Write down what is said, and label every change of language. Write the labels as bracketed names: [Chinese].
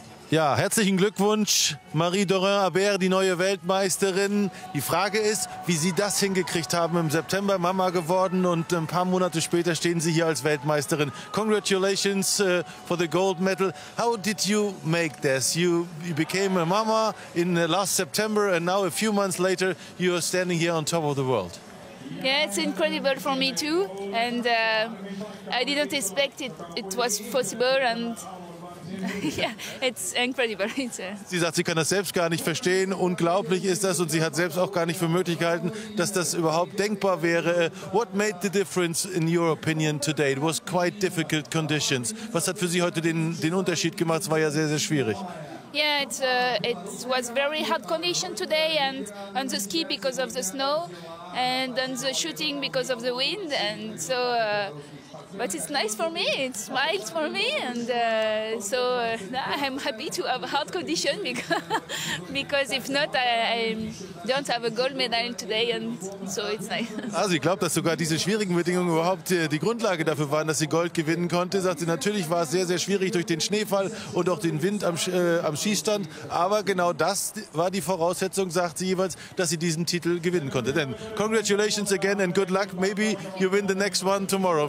[German] Ja, herzlichen Glückwunsch, Marie-Dorin Aberg, die neue Weltmeisterin. Die Frage ist, wie Sie das hingekriegt haben, im September Mama geworden und ein paar Monate später stehen Sie hier als Weltmeisterin. [English] Congratulations for the gold medal. How did you make this? You became a mama in the last September and now a few months later you are standing here on top of the world. Yeah, it's incredible for me too, and I didn't expect it was possible, and yeah, it's incredible. [German] Sie sagt, sie kann das selbst gar nicht verstehen, unglaublich ist das, und sie hat selbst auch gar nicht für möglich gehalten, dass das überhaupt denkbar wäre. [English] What made the difference in your opinion today? It was quite difficult conditions. [German] Was hat für Sie heute den Unterschied gemacht? Es war ja sehr, sehr schwierig. [English] Yeah, it was very hard condition today, and on the ski because of the snow. And on the shooting because of the wind, and so, but it's nice for me, it's mild for me, and I'm happy to have hard condition because if not, I don't have a gold medal today, and so it's nice. [German] Also, ich glaube, dass sogar diese schwierigen Bedingungen überhaupt die Grundlage dafür waren, dass sie Gold gewinnen konnte. Sagt sie, natürlich war es sehr, sehr schwierig durch den Schneefall und auch den Wind am Schießstand, aber genau das war die Voraussetzung, sagt sie jeweils, dass sie diesen Titel gewinnen konnte. Denn [English] congratulations again and good luck. Maybe you win the next one tomorrow.